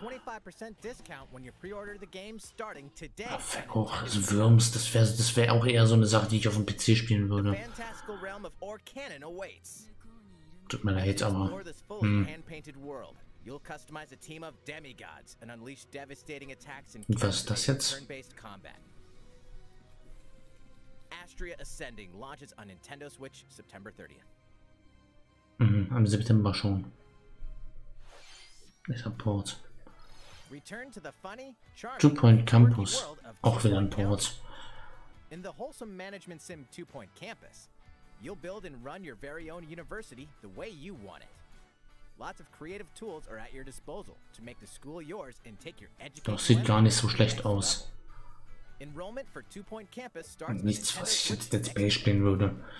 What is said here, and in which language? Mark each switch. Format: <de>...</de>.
<en>25% discount when you pre-order the game starting today.</en> <de>Ach, Verkoch, also Worms, das wär auch eher so eine Sache, die ich auf dem PC spielen würde.</de> <en>Fantastical Realm of Orcanon awaits.</en> <de>Tut mir leid, aber.</de> <en>Hand-painted world. You'll customize a team of demigods and unleash devastating attacks in turn-based combat. Astria Ascending launches on Nintendo Switch September 30th.</en> <de>Am September schon. Deshalb Port.</de> <en>Return to the funny, charming, Two Point Campus.</en> <de>Auch wieder ein Port.</de> <en>In the wholesome management sim Two Point Campus, you'll build and run your very own university the way you want it. Lots of creative tools are at your disposal to make the school yours and take your education.</en> <de>Das sieht gar nicht so schlecht aus.</de> <en>Enrollment for Two Point Campus starts.</en> <de>Nichts, was ich jetzt Dead Space spielen würde.</de>